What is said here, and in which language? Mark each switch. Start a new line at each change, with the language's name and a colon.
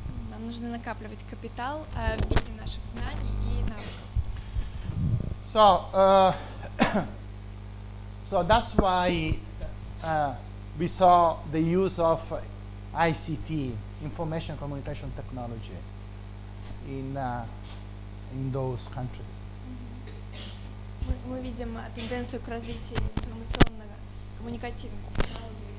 Russian: Нам нужно накапливать капитал в виде наших знаний и навыков.
English: So, so that's why we saw the use of ICT, information communication technology, in those countries.
Russian: Мы видим тенденцию к развитию информационного коммуникативных технологий.